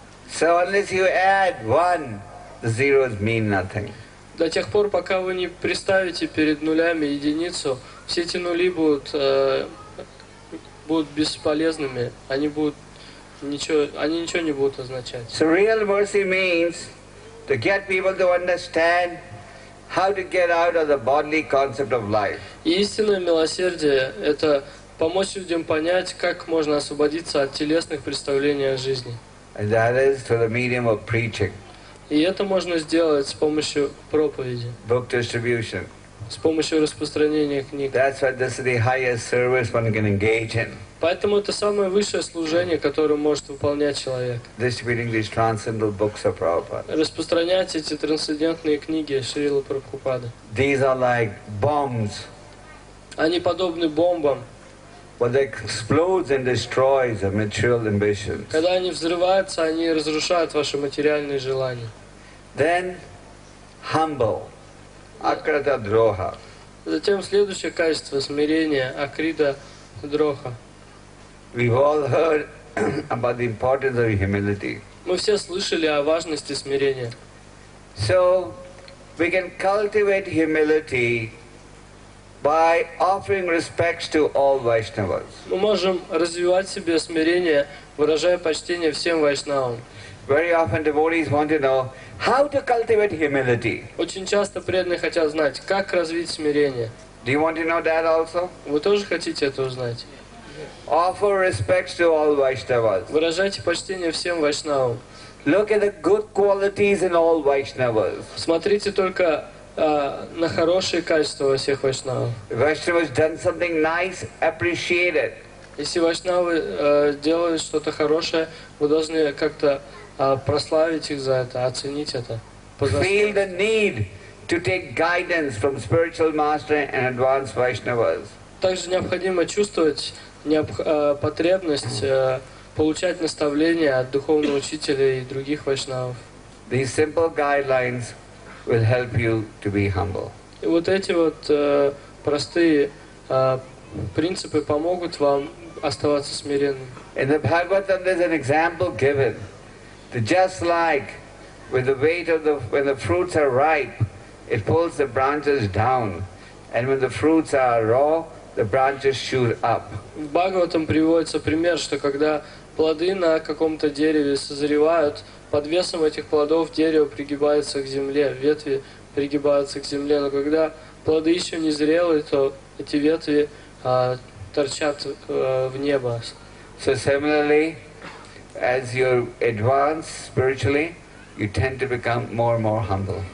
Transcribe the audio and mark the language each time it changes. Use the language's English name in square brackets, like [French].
[English] So unless you add one, the zeros mean nothing. [Russian] До тех пор, пока вы не приставите перед нулями единицу, все эти нули будут бесполезными. Они будут ничего не будут означать. [English] So real mercy means to get people to understand how to get out of the bodily concept of life. [Russian] И истинное милосердие – это помочь людям понять, как можно освободиться от телесных представлений о жизни. [English] And that is through the medium of preaching. [Russian] И это можно сделать с помощью проповеди. [English] Book distribution. [Russian] С помощью распространения книг. [English] That's why this is the highest service one can engage in. [Russian] Поэтому это самое высшее служение, которое может выполнять человек. [English] Distributing these transcendental books of Prabhupada. [Russian] Распространять эти трансцендентные книги Шрилы Прабхупады. [English] These are like bombs. [Russian] Они подобны бомбам. [English] But they explode and destroy the material ambitions. [Russian] Когда они взрываются, они разрушают ваши материальные желания. [English] Then humble, akrita droha. [Russian] Затем следующее качество смирения, akrita droha. [English] We've all heard about the importance of humility. [Russian] Мы все слышали о важности смирения. [English] So we can cultivate humility by offering respects to all Vaishnavas. [Russian] Мы можем развивать в себе смирение, выражая почтение всем Вайшнавам. [English] Very often devotees want to know how to cultivate humility. [Russian] Очень часто преданные хотят знать, как развить смирение. [English] Do you want to know that also? [Russian] Вы тоже хотите это узнать? [English] Offer respects to all Vaishnavas. [Russian] Выражайте почтение всем Вайшнавам. [English] Look at the good qualities in all Vaishnavas. [Russian] Смотрите только на хорошие качества во всех вайшнавах. [English] Vaishnava has done something nice, appreciate it. [Russian] Если вайшнавы делают что-то хорошее, вы должны как-то прославить их за это, оценить это. [English] Feel the need to take guidance from spiritual master and advanced Vaishnavas. [Russian] Также необходимо чувствовать потребность получать наставления от духовного учителя и других вайшнавов. [English] These simple guidelines will help you to be humble. [Russian] И вот эти вот простые принципы помогут вам оставаться смиренным. [English] In the Bhagavatam, there's an example given that just like with the weight of the when the fruits are ripe, it pulls the branches down, and when the fruits are raw, the branches shoot up. [Russian] В Бхагаватам приводится пример, что когда плоды на каком-то дереве созревают, под весом этих плодов дерево пригибается к земле, ветви пригибаются к земле. Но когда плоды еще не зрелые, то эти ветви торчат в небо. [English] So similarly, as you advance spiritually, you tend to become more and more humble.